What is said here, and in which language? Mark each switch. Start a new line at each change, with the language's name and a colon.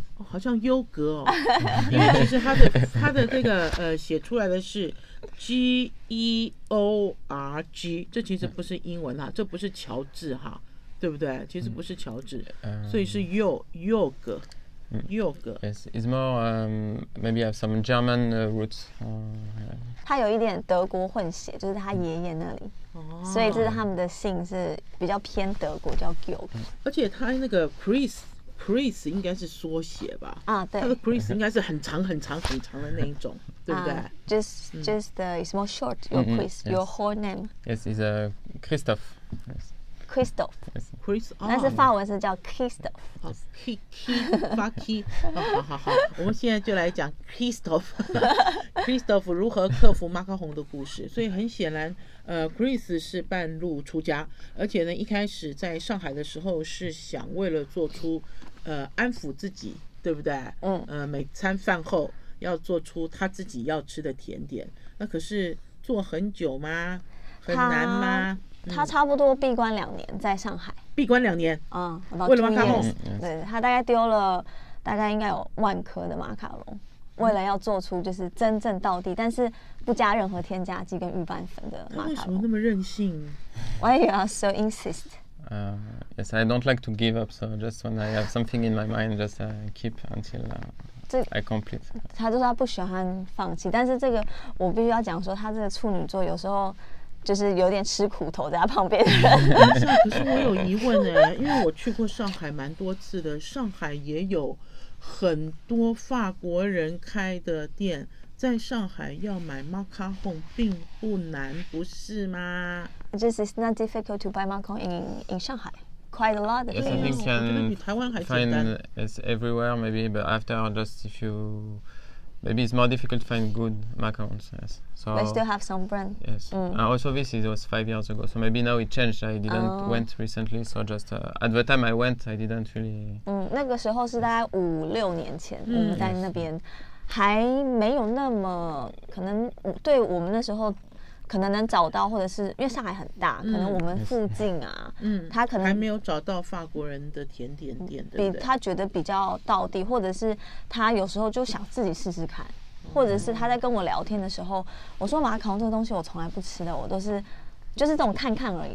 Chinese: 好像优格哦，因为其实他的这个写出来的是 G E O R G， 这其实不是英文啦，这不是乔治哈，对不对？其实不是乔治，所以是 Yoga。
English: Yogurt. Yes, it's more, maybe have some German roots.
Chinese: 它有一点德国混血，就是他爷爷那里。所以这是他们的姓是比较偏德国，叫 Yogurt. 而且他那个 Chris 应该是缩写吧？啊，对，他的 Chris 应该是很长很长很长的那一种，对不对？
English: Just the small short, your Chris, your whole name. Yes, it's a Christophe. Yes.
Chinese: Christophe, 但是法文是叫 Christophe. Kiki, 好，我们现在就来讲 Christophe. Christophe 如何克服马克宏的故事。所以很显然，Chris 是半路出家，而且呢，一开始在上海的时候是想为了做出，安抚自己，对不对？每餐饭后要做出他自己要吃的甜点。那可是做很久吗？很难吗？他差不多闭关两年在上海。闭关两年为了马卡龙。对，他大概丢了大概应该有万颗的马卡龙，为了要做出就是真正道地但是不加任何添加剂跟预拌粉的马卡龙。为什么那么任性？
English: Why you are so insist? Yes, I don't like to give up, so just when I have something in my mind, just keep until I complete.
Chinese: 他就说他不喜欢放弃，但是这个我必须要讲说他这个处女座有时候就是有点吃苦头在他旁边可是我有疑问耶，因为我去过上海蛮多次的，上海也有很多法国人开的店，在上海要买 macaron 并不难，不是吗？
English: This is not difficult to buy macaron in 上海。 Quite a lot. Yes, I think you can find it everywhere maybe, but after just if you... Maybe it's more difficult to find good macarons, yes. So we still have some brand. Yes. Also, this was 5 years ago, so maybe now it changed. I didn't went recently, so just at the time I went, I didn't really...
Chinese: 那个时候是大概五六年前，我们在那边还没有那么可能，对我们那时候可能能找到，或者是因为上海很大，可能我们附近啊，他可能还没有找到法国人的甜点店，比他觉得比较道地，或者是他有时候就想自己试试看，或者是他在跟我聊天的时候，我说马卡龙这个东西我从来不吃的，我都是就是这种看看而已。